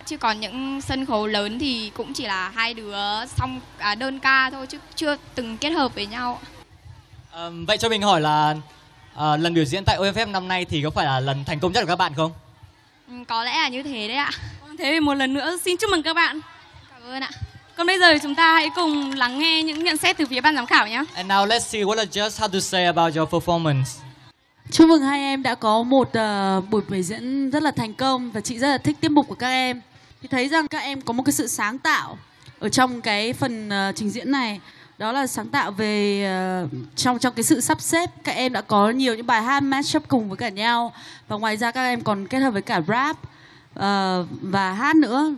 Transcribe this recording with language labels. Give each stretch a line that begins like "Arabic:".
Vietnamese: Chứ còn những sân khấu lớn thì cũng chỉ là hai đứa xong đơn ca thôi chứ chưa từng kết hợp với nhau. Vậy cho mình hỏi là lần biểu diễn tại OMF năm nay thì có phải là lần thành công nhất của các bạn không? Có lẽ là như thế đấy ạ. Thế thì một lần nữa xin chúc mừng các bạn. Cảm ơn ạ. Còn bây giờ chúng ta hãy cùng lắng nghe những nhận xét từ phía ban giám khảo nhé.
English: And now let's see what the judges have to say about your performance.
Vietnamese: Chúc mừng hai em đã có một buổi biểu diễn rất là thành công và chị rất là thích tiết mục của các em. Thì thấy rằng các em có một cái sự sáng tạo ở trong cái phần trình diễn này. Đó là sáng tạo về trong cái sự sắp xếp. Các em đã có nhiều những bài hát mashup cùng với cả nhau. Và ngoài ra các em còn kết hợp với cả rap và hát nữa.